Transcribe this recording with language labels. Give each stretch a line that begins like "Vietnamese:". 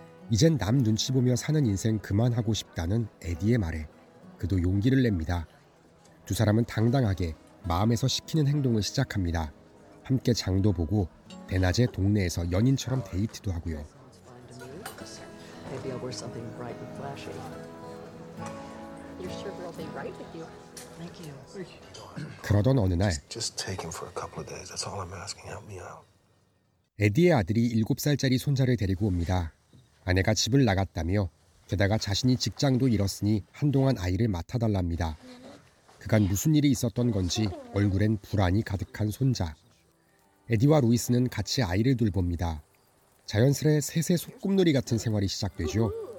Korean: 이젠 남 눈치 보며 사는 인생 그만하고 싶다는 에디의 말에 그도 용기를 냅니다. 두 사람은 당당하게 마음에서 시키는 행동을 시작합니다. 함께 장도 보고 대낮에 동네에서 연인처럼 데이트도 하고요.
English: maybe I'll wear something bright and flashy. Your sugar will be right with you. Thank you.
Korean: 그러던 어느 날
English: Just take him for a couple of days. That's all I'm asking. Help me out.
Korean: 에디의 아들이 7살짜리 손자를 데리고 옵니다. 아내가 집을 나갔다며 게다가 자신이 직장도 잃었으니 한동안 아이를 맡아달랍니다. 그간 무슨 일이 있었던 건지 얼굴엔 불안이 가득한 손자. 에디와 루이스는 같이 아이를 돌봅니다. 자연스레 새새 소꿉놀이 같은 생활이 시작되죠.